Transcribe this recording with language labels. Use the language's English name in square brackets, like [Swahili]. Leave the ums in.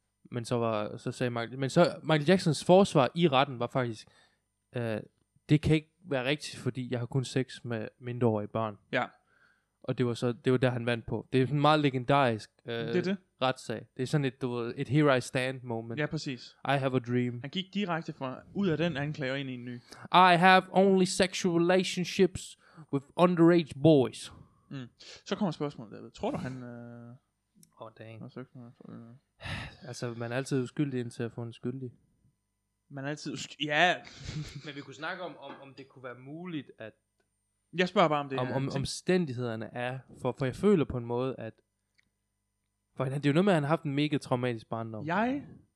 [Danish] Men så, var, så sagde Michael, men så Michael Jacksons forsvar i retten var faktisk, øh, uh, det, kan ikke, være rigtigt, fordi jeg har kun sex med mindreårige børn. Ja. Og det var så det var der han vandt på. Det er en meget legendarisk øh, det det. retssag. Det er sådan et du ved, et [English] here I stand [Danish] moment. Ja, præcis. [English] I have a dream. [Danish] Han gik direkte fra ud af den anklage og ind i en ny. [English] I have only sexual relationships with underage boys. Mm. [Danish] Så kommer spørgsmålet David. Tror du han øh, oh, dang. Har søgt, har eller... altså man er altid uskyldig indtil at få en skyldig man altid... Ja. men vi kunne snakke om, om, om det kunne være muligt, at... Jeg spørger bare om det. Om, her, om ting. omstændighederne er... For, for jeg føler på en måde, at... For det er jo noget med, at han har haft en mega traumatisk barndom. Jeg...